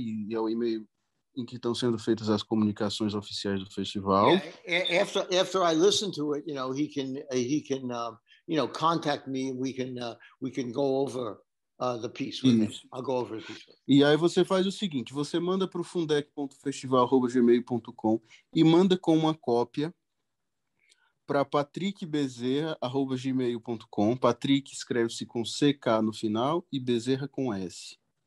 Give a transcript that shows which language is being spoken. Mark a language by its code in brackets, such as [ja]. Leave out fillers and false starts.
[pt] E é o e-mail em que estão sendo feitas as comunicações oficiais do festival. [en] Yeah, after I listen to it, you know, he can contact me and we can go over the piece with him. I'll go over the piece. [pt] E aí você faz o seguinte, você manda para o fundec.festival@gmail.com e manda com uma cópia para patrickbezerra@gmail.com. Patrick escreve-se com CK no final e Bezerra com S.